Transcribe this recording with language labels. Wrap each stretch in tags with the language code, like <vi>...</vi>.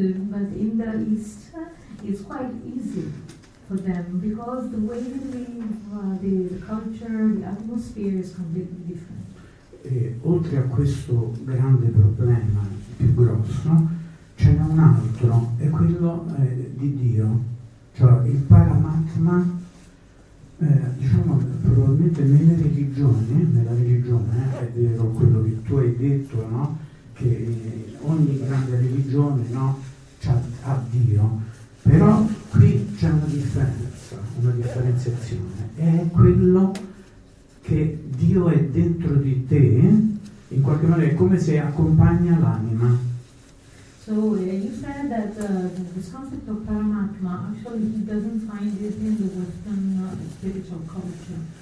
<en>But in the East, it's quite easy for them, because the way they live, the culture, the atmosphere is completely different.</en> <it>E oltre a questo grande problema, più grosso, ce n'è un altro, è quello di Dio, cioè il Paramatma. Diciamo, probabilmente nelle religioni, nella religione, è vero quello che tu hai detto, no? Che ogni grande religione, no? ha Dio, però qui c'è una differenza, una differenziazione, e è quello che Dio è dentro di te, in qualche modo è come se accompagna l'anima.</it> <en>So you said that this concept of Paramatma, actually he doesn't find it in the Western spiritual culture.</en>